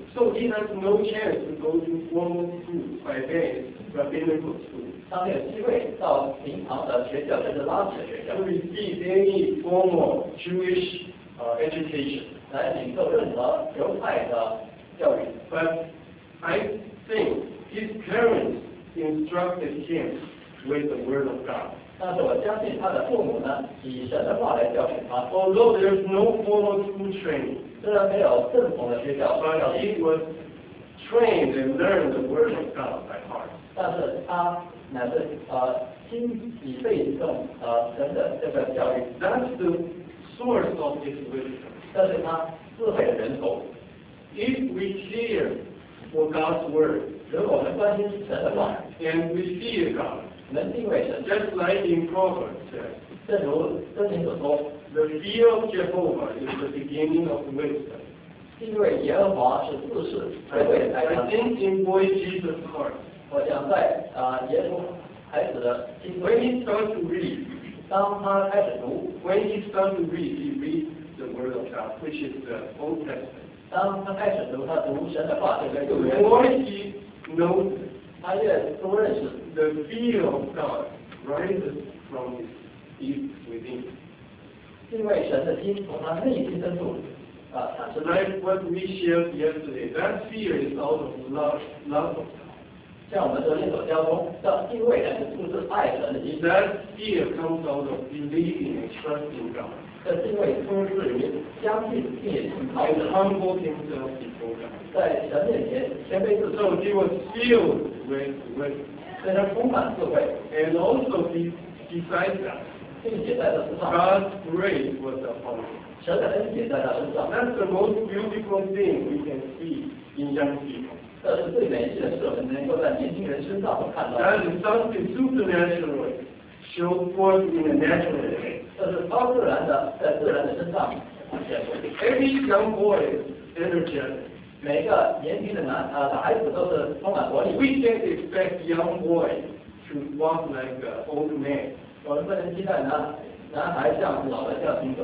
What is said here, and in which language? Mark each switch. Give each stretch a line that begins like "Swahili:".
English: So he has no chance to go to formal school by day, but biblical school.
Chinese: 他没有机会到平常的学校，甚至拉比的学校。
English: To receive any formal Jewish education.
Chinese: 来领受任何犹太的教育。
English: But I think his parents instructed him with the word of God.
Chinese: 但是我相信他的父母呢，以神的话来教训他。
English: Although there is no formal school training,
Chinese: 虽然没有正统的学校，但是
English: he was trained and learned the word of God by heart.
Chinese: 但是他乃是心底背诵神的这个教育。
English: That's the source of his wisdom.
Chinese: 这是他智慧的源头。
English: If we care for God's word,
Chinese: 如果我们关心神的话
English: ，and we fear God.
Chinese: 能敬畏神
English: Just like in Proverbs says,
Chinese: 正如圣经所说
English: The fear of Jehovah is the beginning of wisdom.
Chinese: 敬畏耶和华是智慧的开端
English: I think in boy Jesus' heart,
Chinese: 我想在耶稣孩子的心中
English: When he starts to read,
Chinese: 当他开始读
English: When he starts to read, he reads the word of God, which is the Old Testament.
Chinese: 当他开始读他读神的话这个旧约
English: The more he knows it,
Chinese: 他越多认识
English: The fear of God rises from his deep within.
Chinese: 敬畏神的心从他内心深处产生。
English: Like what we shared yesterday, that fear is out of love of God.
Chinese: 像我们昨天所交通，这敬畏乃是出自爱神的心。
English: That fear comes out of believing and trusting God.
Chinese: 这敬畏出自于相信并且信靠神。
English: And humble himself before God.
Chinese: 在神面前谦卑自己
English: So he was filled with wisdom.
Chinese: 在他充满智慧
English: And also besides that,
Chinese: 并且在他身上
English: God's grace was upon him.
Chinese: 神的恩典在他身上
English: That's the most beautiful thing we can see in young people.
Chinese: 这是最美丽的事我们能够在年轻人身上看到
English: That is something supernaturally showed forth in a natural way.
Chinese: 这是超自然的在自然的身上显出
English: Every young boy is energetic.
Chinese: 每个年轻的孩子都是充满活力。
English: We can't expect young boy to walk like an old man.
Chinese: 我们不能期待男孩像老的像行走。